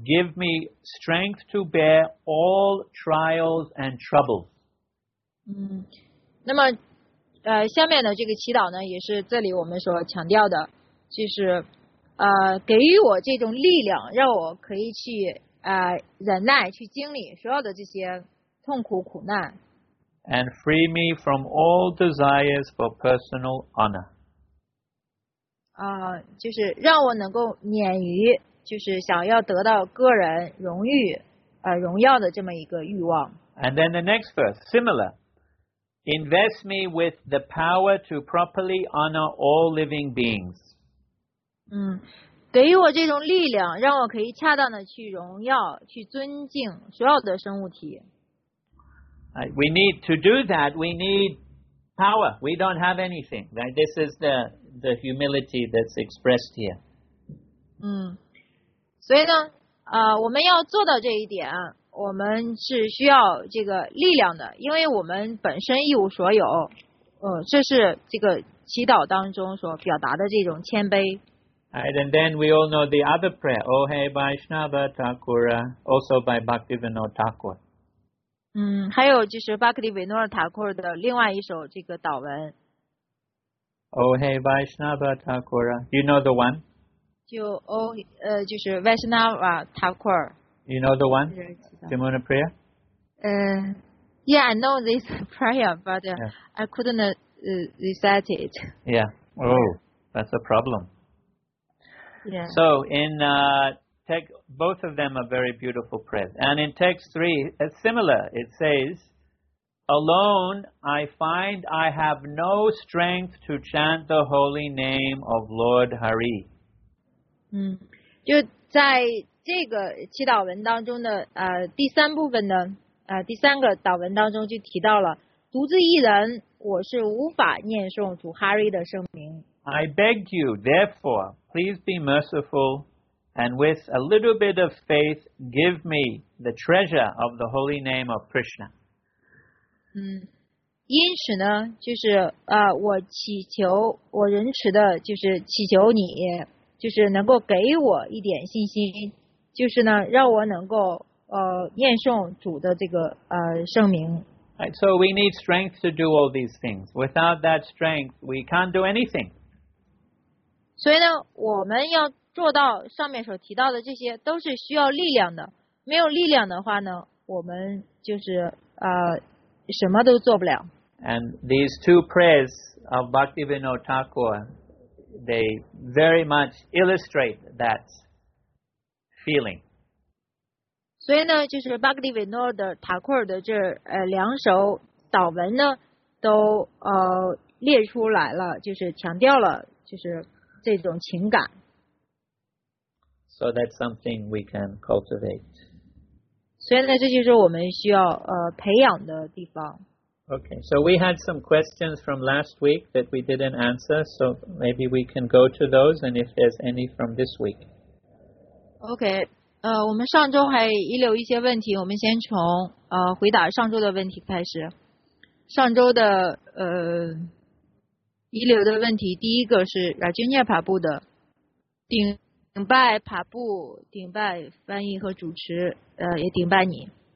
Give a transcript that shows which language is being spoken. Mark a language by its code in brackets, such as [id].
[en] Give me strength to bear all trials and troubles. [zh] 那么下面的这个祈祷呢，也是这里我们所强调的，就是给予我这种力量，让我可以去忍耐，去经历所有的这些痛苦苦难。 [en] And free me from all desires for personal honor. [zh] 就是让我能够免于就是想要得到个人荣誉荣耀的这么一个欲望。 [en] And then the next verse, similar. Invest me with the power to properly honor all living beings. [zh] 给予我这种力量，让我可以恰当的去荣耀，去尊敬所有的生物体。 [en] We need to do that, we need power. We don't have anything. Right? This is the humility that's expressed here. [zh] 所以呢我们要做到这一点，我们是需要这个力量的，因为我们本身一无所有。这是这个祈祷当中所表达的这种谦卑。 [en] Right, and then we all know the other prayer, Oh Hey Vaishnava Thakura, also by Bhaktivinoda Thakura. [zh] 还有就是巴克利维诺尔塔库尔的另外一首这个祷文。 [en] Oh hey Vaishnava Thakura, you know the one? [zh] 就是 Vaishnava Thakura. [en] You know the one? Jimuna Priya? Yeah, I know this prayer, but I couldn't recite it. Yeah, oh, that's a problem. Yeah. So in both of them are very beautiful prayers. And in text 3, it's similar. It says, Alone I find I have no strength to chant the holy name of Lord Hari. [zh] 就在这个祈祷文当中的第三部分呢，第三个祷文当中就提到了，独自一人，我是无法念诵主哈瑞的圣名。 [en] I beg you, therefore, please be mercifulAnd with a little bit of faith, give me the treasure of the holy name of Krishna. [zh] 因此呢，就是我祈求，我仁慈的，就是祈求你，就是能够给我一点信心，就是呢，让我能够念诵主的这个圣名。 [en] Right, so we need strength to do all these things. Without that strength, we can't do anything. [zh] 所以呢，我们要。做到上面所提到的这些都是需要力量的，没有力量的话呢，我们就是什么都做不了。 [en] And these two prayers of Bhaktivinoda Thakura, they very much illustrate that feeling. [zh] 所以呢，就是 Bhaktivinoda Thakura 的这两首祷文呢，都列出来了，就是强调了就是这种情感。 [en] So that's something we can cultivate. [zh] 所以呢，这就是我们需要培养的地方。 [en] Okay, so we had some questions from last week that we didn't answer, so maybe we can go to those, and if there's any from this week. [zh] Okay, 我们上周还遗留一些问题，我们先从回答上周的问题开始。上周的遗留的问题，第一个是 Rajunya 爬步的顶拜爬步，顶拜翻译和主持，也顶拜你。